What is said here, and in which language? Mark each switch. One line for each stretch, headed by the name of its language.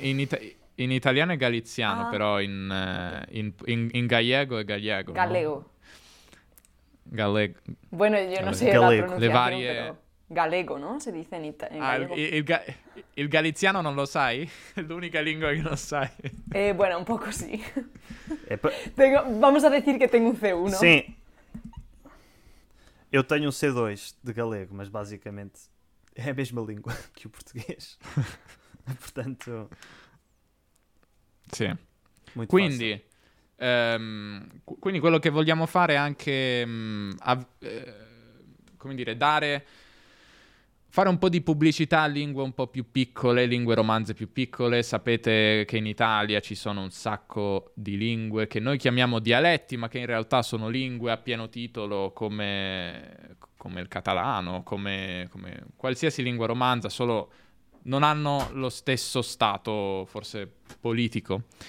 Italian: No, in italiano è galiziano, però in gallego è gallego.
Spanish: Gallego. No? Gallego.
Italian: Bueno, io non so la pronunciazione, però... Galego, no? Si dice in italiano. Ah, il galiziano non lo sai? È l'unica lingua che non sai?
Spanish: Bueno, un poco sì. Tengo, vamos a decir que tengo un C1.
Italian: Sì.
Portuguese: Eu tenho un C2 de galego, mas basicamente é a mesma lingua
Italian: che
Portuguese: o português. Portanto...
Italian: Sì. Molto quindi, facile. Quindi quello che vogliamo fare è anche, come dire, fare un po' di pubblicità a lingue un po' più piccole, lingue romanze più piccole. Sapete che in Italia ci sono un sacco di lingue che noi chiamiamo dialetti, ma che in realtà sono lingue a pieno titolo, come il catalano, come qualsiasi lingua romanza, solo non hanno lo stesso stato, forse, politico.